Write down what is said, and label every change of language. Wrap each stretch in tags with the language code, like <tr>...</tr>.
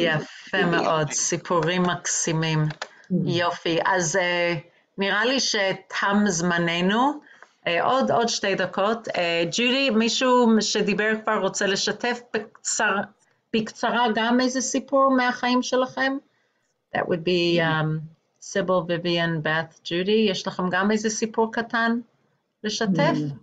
<he>יפה מאוד, סיפורים מקסימים, יופי. אז נראה לי שתם זמננו. עוד שתי דקות. ג'ודי, מישהו שדיבר כבר רוצה לשתף בקצרה גם איזה סיפור מהחיים שלכם?</he> <en>That would be Sybil, Vivian, Beth, Judy.</en> <he>יש לכם גם איזה סיפור קטן לשתף?</he>